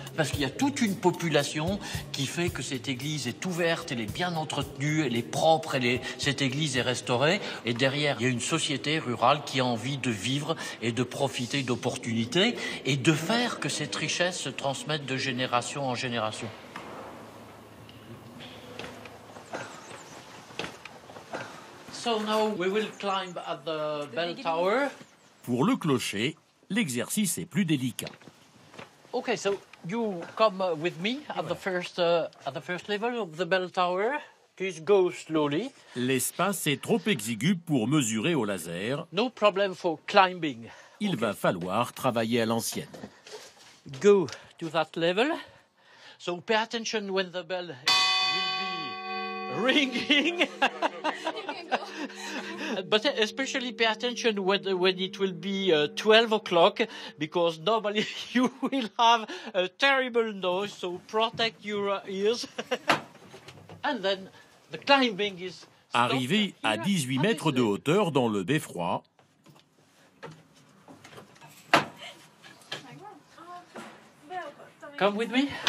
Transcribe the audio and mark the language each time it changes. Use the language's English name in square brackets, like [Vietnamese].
[French] Parce qu'il y a toute une population qui fait que cette église est ouverte, elle est bien entretenue, elle est propre, cette église est restaurée. Et derrière, il y a une société rurale qui a envie de vivre et de profiter d'opportunités et de faire que cette richesse se transmette de génération en génération. [English] So now we will climb at the bell tower. [French] Pour le clocher, l'exercice est plus délicat. [English] Okay, so you come with me at the first level of the bell tower. Please go slowly. [French] L'espace est trop exigu pour mesurer au laser. [English] No problem for climbing. [French] Il va falloir travailler à l'ancienne. [English] Go to that level. So pay attention when the bell will be ringing. But especially pay attention when it will be 12 o'clock, because normally you will have a terrible noise, so protect your ears. And then the climbing is stopped. [French] Arrivé à 18 mètres de hauteur dans le beffroi. [English] Come with me.